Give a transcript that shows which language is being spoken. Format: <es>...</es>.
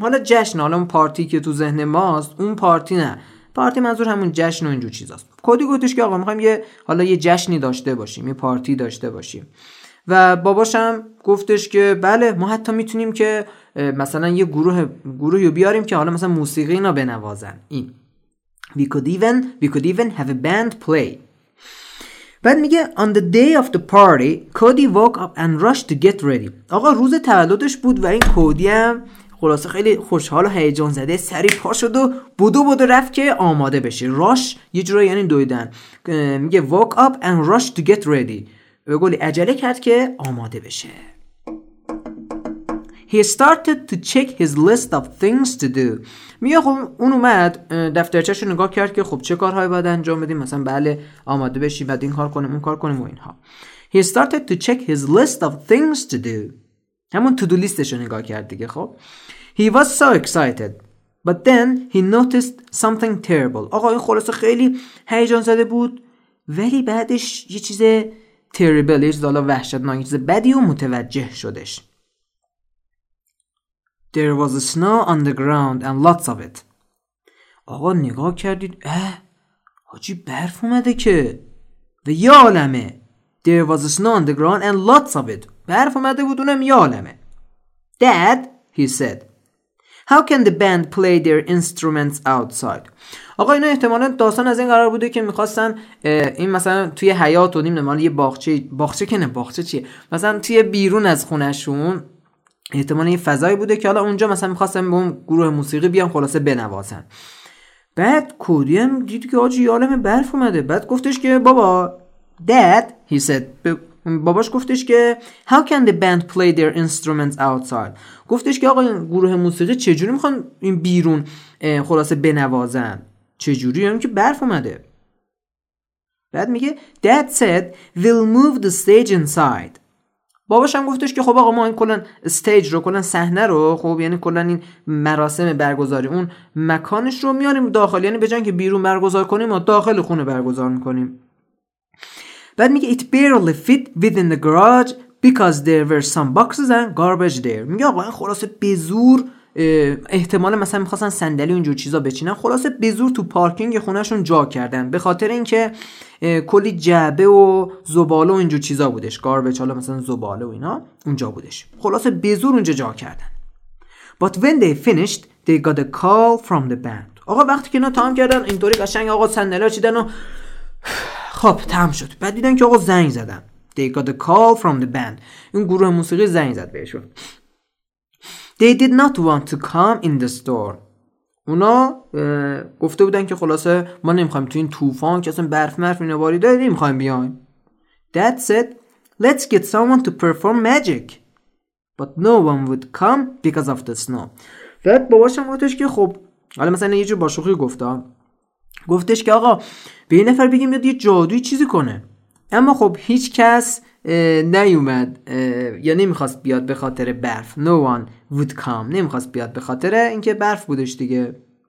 <fa>حالا جشن، حالا اون پارتی که تو ذهن ماست اون پارتی نه، پارتی منظور همون جشن و اینجور چیز هست. کودی گفتش که آقا میخواییم یه حالا یه جشنی داشته باشیم، یه پارتی داشته باشیم. و باباشم گفتش که بله ما حتی میتونیم که مثلا یه گروهی رو بیاریم که حالا مثلا موسیقی اینا بنوازن.</fa> <en>این We could even have a band play.</en> <fa>بعد میگه</fa> <en>On the day of the party Cody woke up and rushed to get ready.</en> <fa>آقا روز تولدش بود و این کودی هم خلاصه خیلی خوشحال و هیجان زده سری پا شد و بودو بودو رفت که آماده بشه. rush یه جورایی یعنی دویدن. میگه</fa> <en>woke up and rushed to get ready،</en> <fa>به گلی عجله کرد که آماده بشه.</fa> <en>He started to check his list of things to do.</en> <fa>میگه خب اون اومد دفترچه‌شو نگاه کرد که خب چه کارهایی باید انجام بدیم، مثلا بله آماده بشی بعد این کار کنیم اون کار کنیم و اینها.</fa> <en>He started to check his list of things to do.</en> <fa>همون تو دو لیستشو نگاه کرد دیگه خب.</fa> <en>He was so excited. But then he noticed something terrible.</en> <fa>آقا این خلاصه خیلی هیجان زده بود ولی بعدش یه چیز terrible، یه چیز حالا وحشتناک، یه چیز بدی رو متوجه شدش.</fa> <en>There was snow on the ground and lots of it.</en> <fa>آقا نگاه کردید حاجی برف اومده که و یه عالمه.</fa> <en>There was snow on the ground and lots of it.</en> <fa>برف اومده بود اونم یه عالمه.</fa> <en>Dad, he said, how can the band play their instruments outside?</en> <fa>آقا اینا احتمالاً داستان از این قرار بوده که میخواستن این مثلا توی حیاط و نمیدونم یه باغچه، باغچه که نه باغچه چیه، مثلا توی بیرون از خونهشون احتمالاً این فضایی بوده که حالا اونجا مثلا میخواستن به اون گروه موسیقی بیان خلاصه بنوازن. بعد کودی هم دید که آجی یالم برف اومده، بعد گفتش که بابا</fa> <en>dad he said</en> <fa>باباش گفتش که</fa> <en>how can the band play their instruments outside،</en> <fa>گفتش که آقا گروه موسیقی چجوری میخوان این بیرون خلاصه بنوازن، چجوری هم که برف اومده. بعد میگه</fa> <en>dad said we'll move the stage inside،</en> <fa>باباش هم گفتش که خب آقا ما این کلن استیج رو، کلن صحنه رو، خب یعنی کلن این مراسم برگزاری اون مکانش رو میاریم داخل، یعنی بجن که بیرون برگزار کنیم ما داخل خونه برگزار میکنیم. بعد میگه</fa> <en>it barely fit within the garage because there were some boxes and garbage there.</en> <fa>میگه آقا این خلاصه به زور احتمال مثلا میخواستن صندلی اونجور چیزا بچینن، خلاصه به زور تو پارکینگ خونهشون جا کردن به خاطر اینکه کلی جعبه و زباله و اینجور چیزا بودش، گاربیج حالا مثلا زباله و اینا اونجا بودش، خلاصه به زور اونجا جا کردن.</fa> <en>But when they finished they got a call from the band.</en> <fa>آقا وقتی که اینا تمام کردن اینطوری قشنگ آقا صندلی ها چیدن و خب تمام شد، بعد دیدن که آقا زنگ زدن،</fa> <en>they got a call from the band،</en> <fa>این گروه موسیقی زنگ زد بهشون.</fa> <en>They did not want to come in the storm.</en> <fa>اونا گفته بودن که خلاصه ما نمیخوایم تو این طوفان که اصلا برف مرف اینا باریده نمیخوایم بیایم.</fa> <en>Dad said, let's get someone to perform magic. But no one would come because of the snow.</en> <fa>بعد باباشم گفتش که خب حالا مثلا یه جور با شوخی گفته، گفتش که آقا به یه نفر بگیم یاد یه جادوی چیزی کنه، اما خب هیچ کس نیومد یا نمیخواست بیاد به خاطر برف. No one would come، نمیخواست بیاد به خاطر اینکه برف بودش دیگه.</fa>